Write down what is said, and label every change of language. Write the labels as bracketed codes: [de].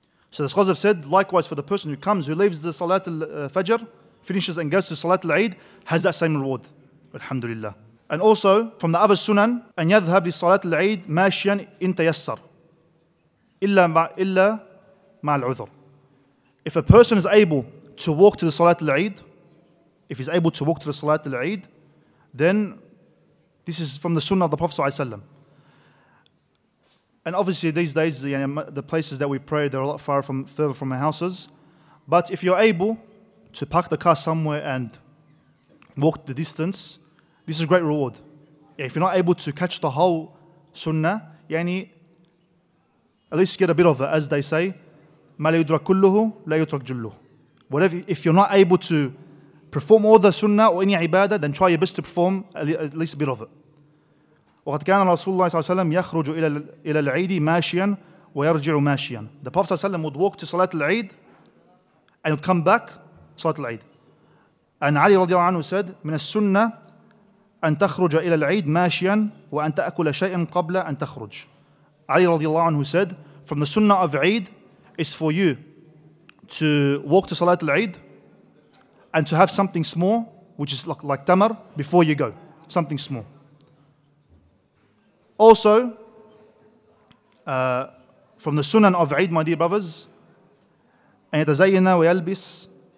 [en] So the scholars have said, likewise for the person who comes, who leaves the Salat al-Fajr, finishes and goes to Salat al-Eid, has that same reward. Alhamdulillah. And also, from the other sunan, [ar] أن يذهب لصلاة العيد ماشيا إن تيسر إلا مع العذر. [en] If a person is able to walk to the Salat al-Eid, if he's able to walk to the Salat al-Eid, then this is from the sunnah of the Prophet ﷺ. And obviously these days, the places that we pray, they're a lot further from our houses. But if you're able to park the car somewhere and walk the distance, this is a great reward. If you're not able to catch the whole sunnah, at least get a bit of it. As they say, [ar] مَا لَيُدْرَكْ كُلُّهُ لَا يُدْرَكْ جُلُّهُ [en] Whatever, if you're not able to perform all the sunnah or any ibadah, then try your best to perform at least a bit of it. [ar] وقد كان رسول الله صلى الله عليه وسلم يخرج إلى العيد ماشيا ويرجع ماشيا. [en] The Prophet صلى الله عليه وسلم would walk to Salat al-Eid and would come back Salat al-Eid. [ar] And Ali رضي الله عنه said, من السنة أن تخرج إلى العيد ماشيا وأن تأكل شيئا قبل أن تخرج. [en] Ali رضي الله عنه said, from the Sunnah of Eid is for you to walk to Salat al-Eid and to have something small, which is like tamar, before you go, something small. Also, from the sunan of Eid, my dear brothers, [ar] أن يتزين ويلبس